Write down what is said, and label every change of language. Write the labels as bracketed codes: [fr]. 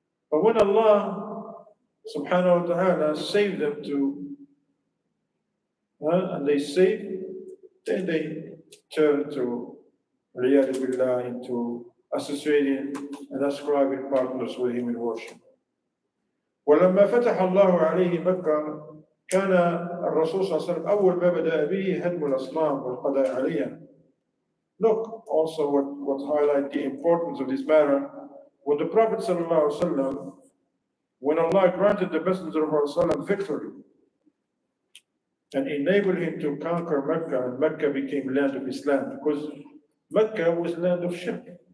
[en] But when Allah [ar] subhanahu wa ta'ala [en] saved them to, and they saved, then they turn to riyad billah, into associating and ascribing partners with Him in worship. [ar] ولما فتح الله عليه مكة كان الرسول صلى الله عليه وسلم أول ما بدأ به هدم الأصنام والقضاء عليها. [en] Look also what highlight the importance of this matter. When the Prophet ﷺ, when Allah granted the Messenger of Allah ﷺ victory and enabled him to conquer Mecca, and Mecca became land of Islam, because Mecca was land of shirk.